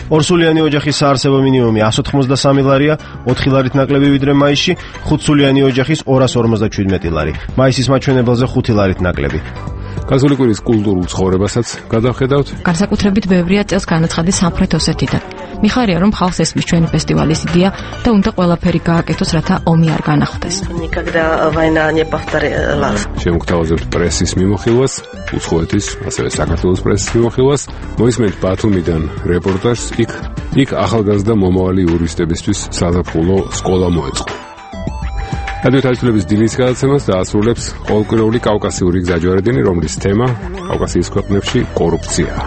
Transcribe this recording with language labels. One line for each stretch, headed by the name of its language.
Georgian: ორსულიანი ოჯახის საარსებო მინიმუმი 183 ლარია, 4 ლარით ნაკლები ვიდრე მაისში, ხუთსულიანი ოჯახის 257 ლარი, მაისის მაჩვენებელზე 5 ლარით ნაკლები. გასული კვირის კულტურულ ცხოვრებასაც გადავხედავთ. განსაკუთრებით ბევრია წელს განაცხადი სამხრეთ ოსეთიდან. მიხარია, რომ ხალხს ესმის ჩვენი ფესტივალის იდეა და უნდა ყველაფერი გააკეთოს, რათა ომი არ განახლდეს.
Russian: Никогда война не повторялась.
Georgian: შემოგთავაზებთ პრესის მიმოხილვას, უცხოეთის, ასევე საქართველოს პრესის მიმოხილვას. მოისმენთ ბათუმიდან რეპორტაჟს, იქ ახალგაზრდა მომავალი იურისტებისთვის საზაფხულო სკოლა მოეწყო. რადიო თავისუფლების დილის გადაცემას დაასრულებს ყოველკვირეული კავკასიური გზაჯვარედინი, რომლის თემა კავკასიის ქვეყნებში კორუფცია.